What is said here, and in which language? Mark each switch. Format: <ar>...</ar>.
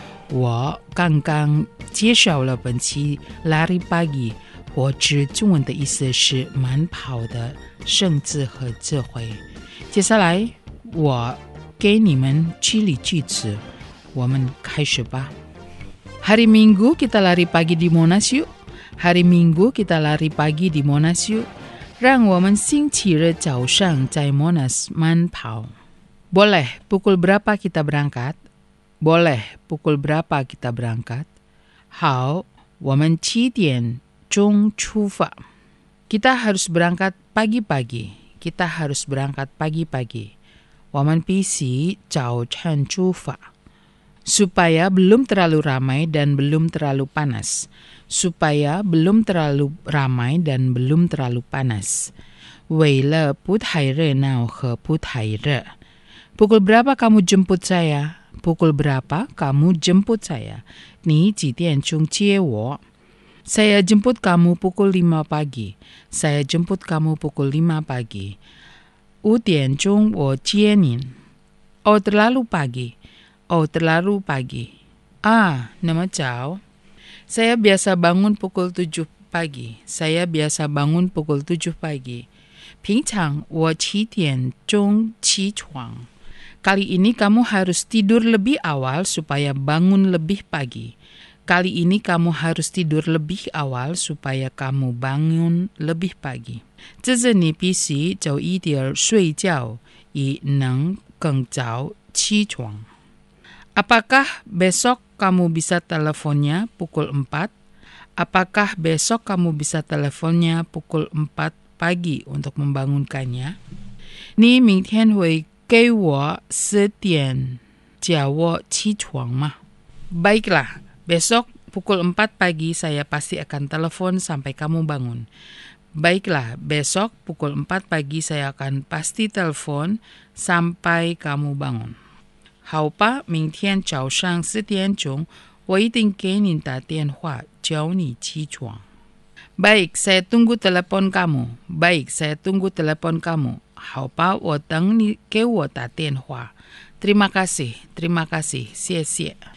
<zh>我刚刚介绍了本期 Lari Pagi， 或者中文的意思是慢跑的圣字和智慧。接下来我给你们激励句子，我们开始吧。</zh> <id>Hari Minggu kita lari pagi di Monas yuk， Hari Minggu kita lari pagi di Monas yuk，</id> <zh>让我们星期日早上在 Monas 慢跑。</zh> <id>Boleh pukul berapa kita berangkat? Boleh pukul berapa kita berangkat?</id> <zh>好，我们七点钟出发。</zh> <id>Kita harus berangkat pagi-pagi. Kita harus berangkat pagi-pagi.</id> <zh>我们必须早晨出发。</zh> <id>Supaya belum terlalu ramai dan belum terlalu panas. Supaya belum terlalu ramai dan belum terlalu panas.</id> <zh>为了不太热闹和不太热。</zh> <id>Pukul berapa kamu jemput saya? Pukul berapa kamu jemput saya?</id> <zh>你几点钟接我?</zh> <id>Saya jemput kamu pukul 5 pagi. Saya jemput kamu pukul 5 pagi.</id> <zh>五点钟我接您。</zh> <id>Oh, terlalu pagi. Oh, terlalu pagi. Ah, nama jauh. Saya biasa bangun pukul 7 pagi. Saya biasa bangun pukul 7 pagi.</id> <zh>平常我七点钟起床。</zh> <id>Kali ini kamu harus tidur lebih awal supaya bangun lebih pagi. Kali ini kamu harus tidur lebih awal supaya kamu bangun lebih pagi.</id> <zh>这是你必须早一点睡觉，以能更早起床。</zh> <id>Apakah besok kamu bisa teleponnya pukul 4? Apakah besok kamu bisa teleponnya pukul 4 pagi untuk membangunkannya?</id> <zh>你明天会给我四点叫我起床吗?</zh> <id>Baiklah, besok pukul 4 pagi saya pasti akan telepon sampai kamu bangun. Baiklah, besok pukul 4 pagi saya akan pasti telepon sampai kamu bangun.</id> <zh>好吧，明天早上四点钟，我一定给你打电话叫你起床。</zh> <id>Baik, saya tunggu telepon kamu. Baik, saya tunggu telepon kamu.</id> <zh>好吧，我等你给我打电话。</zh> <id>Terima kasih, terima kasih,</id> <zh>谢谢。</zh>